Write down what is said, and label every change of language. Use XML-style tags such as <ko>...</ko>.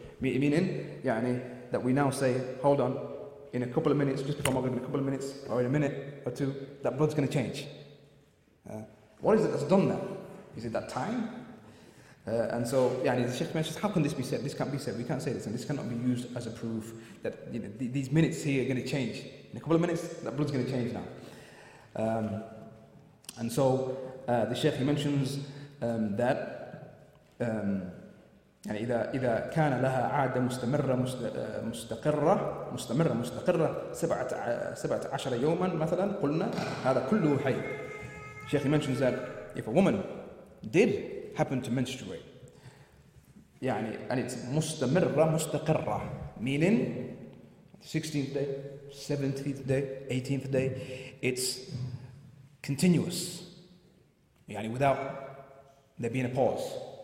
<en>Meaning, yani, that we now say, hold on, in a couple of minutes, just before Maghrib, in a couple of minutes, or in a minute or two, that blood's going to change. What is it that's done that? Is it that time? And so, yani, the Sheikh mentions, how can this be said? This can't be said, we can't say this, and this cannot be used as a proof that you know, these minutes here are going to change. In a couple of minutes, that blood's going to change now. And so, the Sheikh, he mentions that</en> <ar>يعني إذا كان لها عادة مستمرة مستقرة مستمرة مستقرة سبعة عشر يوما مثلا قلنا هذا كله حيض.</ar> <en>Sheikh mentions that if a woman did happen to menstruate يعني and it's</en> <ar>مستمرة مستقرة</ar> <en>meaning 16th day, 17th day, 18th day, it's continuous يعني without there being a pause.</en>